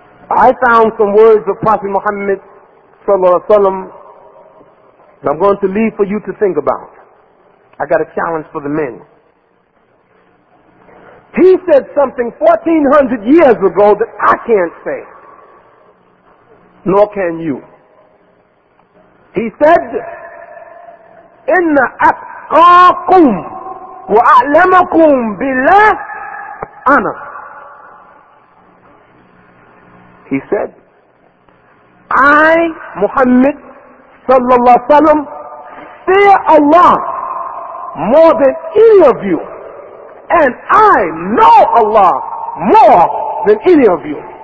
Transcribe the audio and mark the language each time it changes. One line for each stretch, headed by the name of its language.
English: I found some words of Prophet Muhammad sallallahu alaihi wasallam that I'm going to leave for you to think about. I got a challenge for the men. He said something 1400 years ago that I can't say, nor can you. He said,
Arabic: إِنَّ أَتْقَاكُمْ وَأَعْلَمَكُمْ بِاللَّهِ أَنَا.
English: He said, I, Muhammad, sallallahu alaihi wasallam, fear Allah more than any of you. And I know Allah more than any of you.